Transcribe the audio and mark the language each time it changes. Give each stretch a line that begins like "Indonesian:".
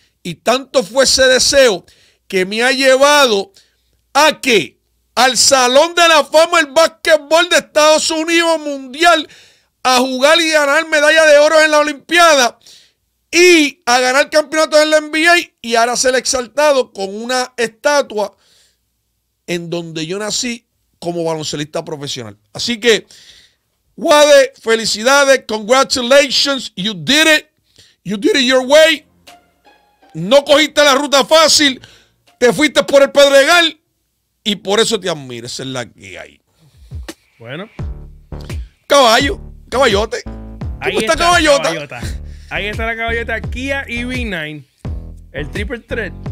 Spanish: Y tanto fue ese deseo que me ha llevado a que al Salón de la Fama del Básquetbol de Estados Unidos Mundial, a jugar y ganar medalla de oro en la Olimpiada y a ganar campeonato en la NBA y ahora ser exaltado con una estatua en donde yo nací como baloncelista profesional. Así que, Wade, felicidades,
English: congratulations, you did it your way.
Spanish: No cogiste la ruta fácil, te fuiste por el Pedregal y por eso te admiro, esa es la que hay. Bueno. Caballo, caballote. ¿Cómo está caballota? Ahí está la caballota, Kia EV9, el triple threat.